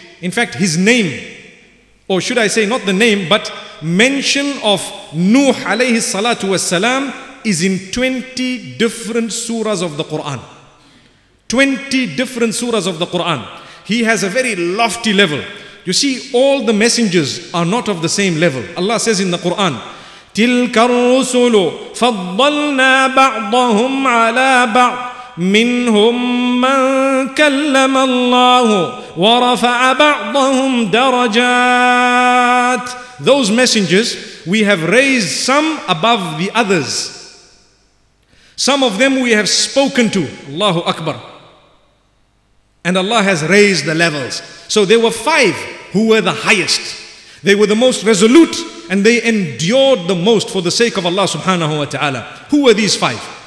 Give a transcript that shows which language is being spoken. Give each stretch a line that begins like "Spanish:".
English: In fact, his name, or should I say not the name, but mention of Nuh alayhi salatu was salam is in 20 different surahs of the Quran. 20 different surahs of the Quran. He has a very lofty level. You see, all the messengers are not of the same level. Allah says in the Quran,
Arabic: تِلْكَ الرُّسُلُ فَضَّلْنَا بَعْضَهُمْ عَلَىٰ بَعْضٍ مِّنْهُمْ مَنْ كَلَّمَ اللَّهُ وَرَفَعَ بَعْضَهُمْ دَرَجَاتٍ.
English: Those messengers, we have raised some above the others. Some of them we have spoken to. Allahu Akbar. And Allah has raised the levels. So there were five who were the highest. They were the most resolute and they endured the most for the sake of Allah subhanahu wa ta'ala. Who were these five?